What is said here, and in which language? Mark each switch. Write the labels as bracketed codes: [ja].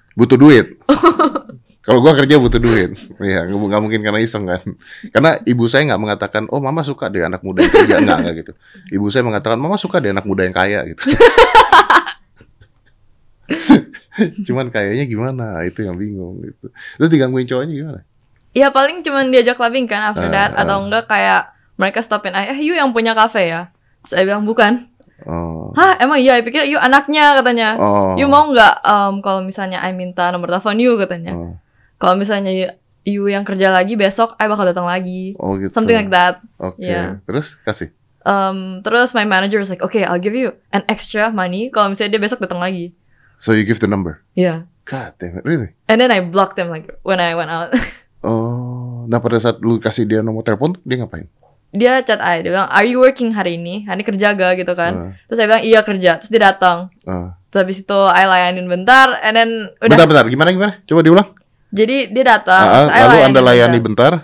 [id] Butuh duit. Kalau gue kerja butuh duit. Iya, gak mungkin karena iseng kan. Karena ibu saya gak mengatakan, oh mama suka deh anak muda yang kerja. Enggak gitu. Ibu saya mengatakan, mama suka deh anak muda yang kaya gitu. Cuman kayaknya gimana, itu yang bingung gitu. Terus digangguin cowoknya gimana? Ya paling cuman diajak clubbing kan [en] after that. [id] Atau enggak kayak mereka stopin, you yang punya kafe ya? Terus saya bilang, bukan. Oh. Hah, emang iya, I pikir you anaknya katanya. Oh. You mau enggak kalau misalnya I minta nomor telepon you katanya. Oh. Kalau misalnya you yang kerja lagi besok, I bakal datang lagi. Oh gitu. [en] Something like that. Okay. Yeah. [id] Terus kasih? [en] Terus my manager was like, okay, I'll give you an extra money [id] kalau misalnya dia besok datang lagi. [en] So you give the number? Yeah. God damn it, really? And then I blocked them like when I went out. [id] Oh, nah pada saat lu kasih dia nomor telepon, dia ngapain? Dia chat I, dia bilang, [en] are you working [id] hari ini? Hari ini kerja gak gitu kan? Terus saya bilang, iya kerja. Terus dia datang. Terus habis itu I layanin bentar, [en] and then [id] udah. Bentar, gimana? Coba diulang. Jadi dia datang, lalu Anda layani bentar.